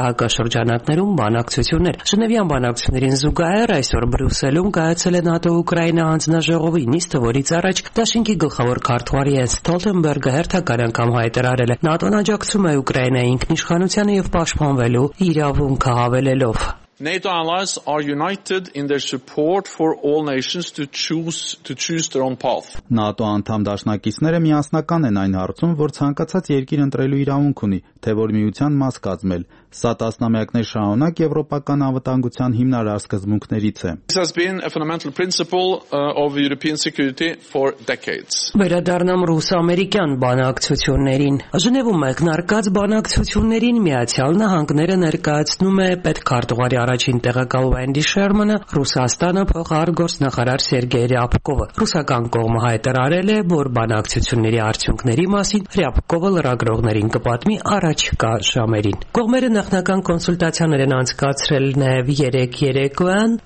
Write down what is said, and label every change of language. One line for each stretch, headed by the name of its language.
Armenian: ՀՀԿ շրջանակներում բանակցություններ։ Ժնևյան բանակցություններին զուգահեռ այսօր Բրյուսելում կայացել է ՆԱՏՕ-Ուկրաինա հանձնաժողովի նիստը, որից առաջ Դաշինքի գլխավոր քարտուղար Յենս Ստոլտենբերգը հերթական անգամ հայտարարել է ՆԱՏՕ-ն աջակցում է Ուկրաինայի ինքնիշխանությանը և պաշտպանվելու իրավունքը հավելելով.
English: NATO allies are united in their support for all nations to choose their own path.
Armenian: ՆԱՏՕ անդամ դաշնակիցները միասնական են այն հարցում, որ ցանկացած երկիր ընտրելու իրավունք ունի, թե որ միության մաս կազմել։ Սա տասնամյակներ շարունակ եվրոպական անվտանգության հիմնարար սկզբունքներից է։
English: This has been a fundamental principle of European security for decades.
Armenian: Վերադառնամ ռուս-ամերիկյան բանակցություններին։ Ժնևում մեկնարկած բանակցություններին Միացյալ Նահանգները ներկայացնում է պետքարտուղարի առաջին տեղակալ Վենդի Շերմանը, Ռուսաստանը փոխարար գործնախարար Սերգեյ Ռյաբկովը։ Ռուսական կողմը հայտարարել է, որ բանակցությունների արդյունքների մասին Ռյաբկովը լրագրողներին կպատմի առաջկա ժամերին։ Կողմերը նախնական կոնսուլտացիաներ են անցկացրել նաև 3-3-ն